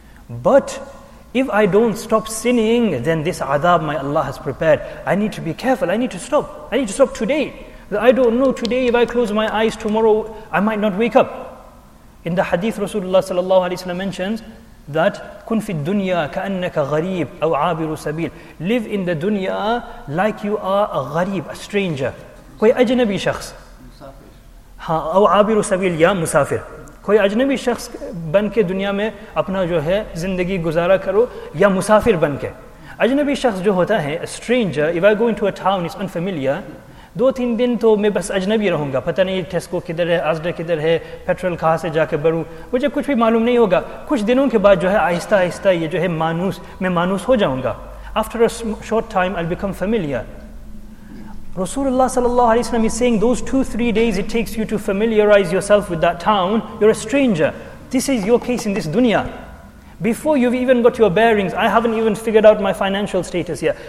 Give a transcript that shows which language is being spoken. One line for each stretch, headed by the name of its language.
English: But if I don't stop sinning, then this adab my Allah has prepared, I need to be careful, I need to stop. I need to stop today. I don't know today, if I close my eyes tomorrow, I might not wake up. In the hadith, Rasulullah sallallahu alayhi wa sallam mentions that
Arabic: kun fi dunya ka annaka gharib aw abiru sabil.
English: Live in the dunya like you are a gharib, a stranger.
Urdu: کوئی اجنبی شخص.
Arabic: Ha, aw abiru sabil
Urdu: ya musafir. کوئی اجنبی شخص بن کے دنیا میں اپنا جو ہے زندگی گزارا کرو یا مسافر بن کے. Ajnabi shakhs jo hota hai,
English: a stranger, if I go into a town, it's unfamiliar.
Urdu: دو 3 دن تو میں بس اجنبی رہوں گا، پتا نہیں ٹیسکو کدھر ہے، آسڈا کدھر ہے، پیٹرول کہاں سے جا کے بھروں، مجھے کچھ بھی معلوم نہیں ہوگا. کچھ دنوں کے بعد جو ہے آہستہ آہستہ یہ جو ہے مانوس، میں مانوس ہو جاؤں گا.
English: After a short time I'll become familiar. Rasulullah sallallahu alaihi wasallam is saying those 2-3 days it takes you to familiarize yourself with that town, you're a stranger. This is your case in this dunya. Before you've even got your bearings, I haven't even figured out my financial status here.